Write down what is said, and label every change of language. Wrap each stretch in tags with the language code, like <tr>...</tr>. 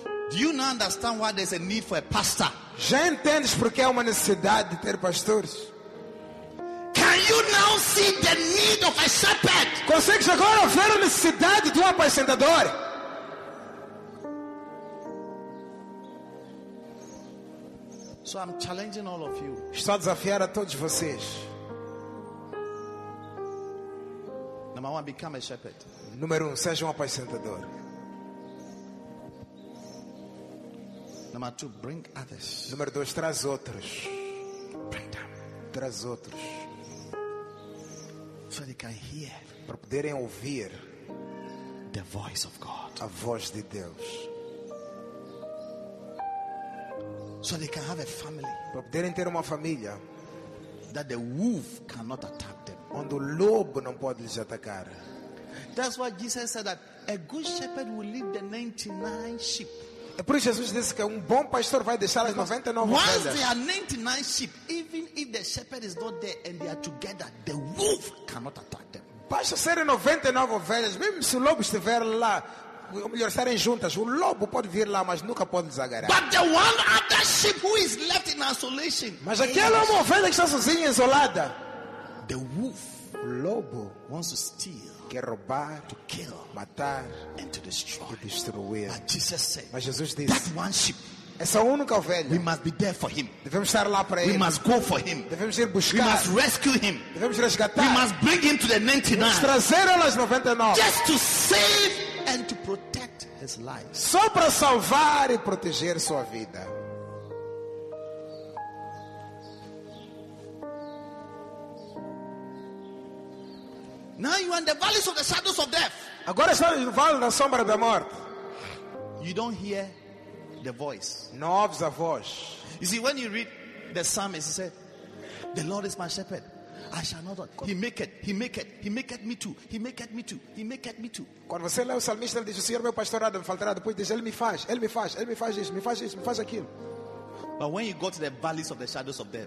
<en>Do you now understand why there's a need for a pastor?</en> <pt>Já entendes porque há uma necessidade de ter pastores?</pt> <en>Can you now see the need of a shepherd?</en> <pt>Consegues agora ver a necessidade de um apacentador?</pt> <en>So I'm challenging all of you.</en> <pt>Estou a desafiar a todos vocês.</pt> <en>Number one, become a shepherd.</en> <pt>Número um, seja um apacentador.</pt> <en>Number two, bring others.</en> <pt>Número dois, traz outros.</pt> <en>Bring them.</en> <pt>Traz outros.</pt> <en>So they can hear.</en> <pt>Para poderem ouvir.</pt> <en>The voice of God.</en> <pt>A voz de Deus.</pt> <en>So they can have a family.</en> <pt>Para poderem ter uma família.</pt> <en>That the wolf cannot attack them.</en> <pt>Onde o lobo não pode lhes atacar.</pt> <en>That's why Jesus said that a good shepherd will leave the 99 sheep.</en> <pt>É por isso Jesus disse que um bom pastor vai deixar as 99 ovelhas.</pt> <en>Once there are 99 sheep, even if the shepherd is not there and they are together, the wolf cannot attack them.</en> <pt>Basta serem 99 ovelhas, mesmo se o lobo estiver lá. Ou melhor, serem juntas. O lobo pode vir lá, mas nunca pode desagarrar.</pt> <en>But the one other sheep who is left in isolation.</en> <pt>Mas aquela uma ovelha que está sozinha, isolada.</pt> <en>The wolf,</en> <pt>o lobo,</pt> <en>wants to steal,</en> <pt>quer roubar,</pt> <en>to kill,</en> <pt>matar,</pt> <en>and to destroy,</en> <pt>e destruir.</pt> <en>But Jesus said,</en> <pt>mas Jesus disse,</pt> <en>that one sheep,</en> <pt>essa única ovelha,</pt> <en>we must be there for him.</en> <pt>Devemos estar lá para</pt> <en>we</en> <pt>ele.</pt> <en>We must go for him.</en> <pt>Devemos ir buscar.</pt> <en>We must rescue him.</en> <pt>Devemos resgatar.</pt> <en>We must bring him to the 99.</en> <pt>Vamos trazer ele às 99.</pt> <en>Just to save. And to protect his life.</en> <pt>Só para salvar e proteger sua vida.</pt> <en>Now you are in the valleys of the shadows of death.</en> <pt>Agora está no vale da sombra da morte.</pt> <en>You don't hear the voice.</en> <pt>Não ouves a voz.</pt> <en>You see, when you read the psalmist, he said, "The Lord is my shepherd." I shall not. He maketh me to.</en> <pt>Quando você lê o salmista, ele diz: O Senhor meu pastor nada me faltará. Depois diz: Ele me faz isso, me faz aquilo.</pt> <en>But when you go to the valleys of the shadows of death,</en>